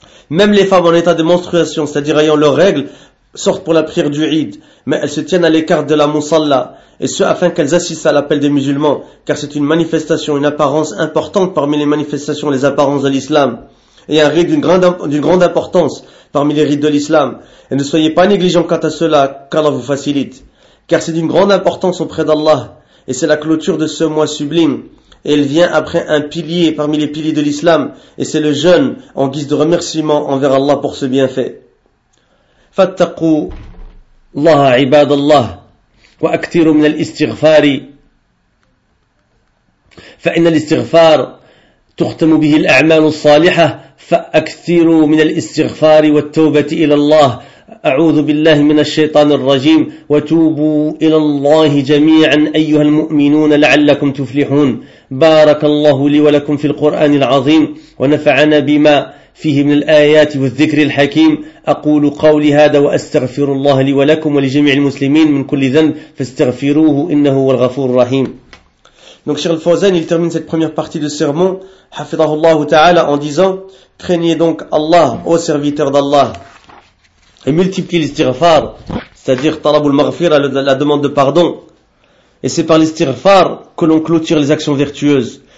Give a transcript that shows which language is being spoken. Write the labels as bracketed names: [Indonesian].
[French] Même les femmes en état de menstruation, c'est-à-dire ayant leurs règles, sortent pour la prière du Eid, mais elles se tiennent à l'écart de la Moussalla, et ce afin qu'elles assistent à l'appel des musulmans, car c'est une manifestation, une apparence importante parmi les manifestations, les apparences de l'islam, et un rite d'une grande importance parmi les rites de l'islam. Et ne soyez pas négligents quant à cela, qu'Allah vous facilite, car c'est d'une grande importance auprès d'Allah, et c'est la clôture de ce mois sublime, et elle vient après un pilier parmi les piliers de l'islam, et c'est le jeûne en guise de remerciement envers Allah pour ce bienfait. [Arabic] فاتقوا الله عباد الله وأكثروا من الاستغفار فإن الاستغفار تختم به الأعمال الصالحة فأكثروا من الاستغفار والتوبة إلى الله أعوذ بالله من الشيطان الرجيم وتوبوا إلى الله جميعا أيها المؤمنون لعلكم تفلحون بارك الله لي ولكم في القرآن العظيم ونفعنا بما فيه من الآيات والذكر الحكيم أقول قولي هذا وأستغفر الله لي ولكم ولجميع المسلمين من كل ذنب فاستغفروه إنه هو الغفور الرحيم. [French] Donc Cheikh Al-Fawzan, il termine cette première partie de sermon, hafidhahullahu ta'ala, en disant « Craignez donc Allah, ô serviteur d'Allah, et multipliez l'istighfar, c'est-à-dire [Arabic] talabul maghfira, [French] la demande de pardon. Et c'est par l'istighfar que l'on clôture les actions vertueuses.